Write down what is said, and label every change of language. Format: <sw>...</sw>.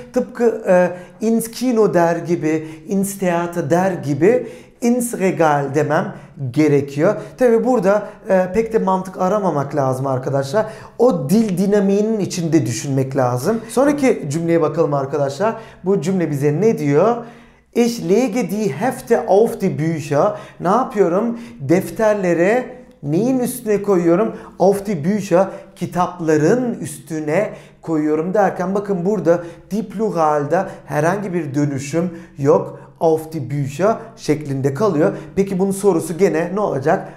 <tr>Tıpkı</tr> <de>ins Kino</de> <tr>der gibi,</tr> <de>ins Theater</de> <tr>der gibi</tr> <de>ins Regal</de> <tr>demem gerekiyor. Tabi burada pek de mantık aramamak lazım arkadaşlar. O dil dinamiğinin içinde düşünmek lazım. Sonraki cümleye bakalım arkadaşlar. Bu cümle bize ne diyor?</tr> <de>Ich lege die Hefte auf die Bücher.</de> <tr>Ne yapıyorum? Defterlere neyin üstüne koyuyorum?</tr> <de>Auf die Bücher,</de> <tr>kitapların üstüne koyuyorum derken bakın burada die Pluralda herhangi bir dönüşüm yok.</tr> <de>Auf die Bücher</de> <tr>şeklinde kalıyor. Peki bunun sorusu gene ne olacak?</tr>